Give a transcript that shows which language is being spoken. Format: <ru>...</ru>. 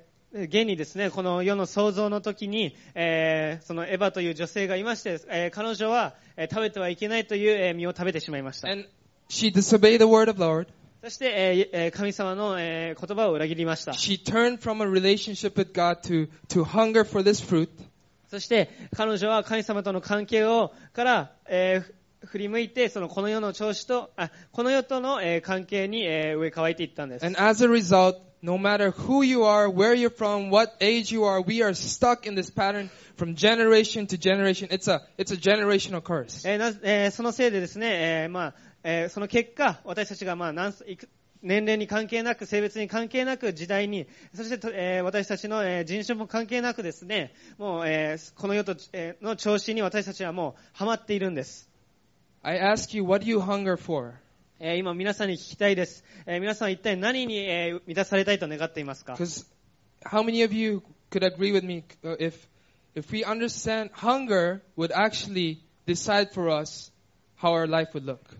<ja>現にですね、この世の創造の時に、そのエヴァという女性がいまして、彼女は、食べてはいけないという、実を食べてしまいました。</ja> <en>And she disobeyed the word of the Lord.</en> <ja>そして、神様の、言葉を裏切りました。</ja> <en>She turned from a relationship with God to hunger for this fruit.</en> <ja>そして、彼女は神様との関係をから、振り向いて、そのこの世の調子と、この世との、関係に、植え替えていったんです。</ja> <en>And as a result,No matter who you are, where you're from, what age you are, we are stuck in this pattern from generation to generation. It's a generational curse.</en> <ja>そのせいでですね、その結果、私たちが、年齢に関係なく、性別に関係なく、時代に、そして、私たちの、人種も関係なくですね、もう、この世と、の調子に私たちはもう、はまっているんです。</ja> <en>I ask you, what do you hunger for?</en> <ja>今皆さんに聞きたいです。皆さんは一体何に満たされたいと願っていますか？</ja> <en>Because how many of you could agree with me if we understand hunger would actually decide for us how our life would look?</en>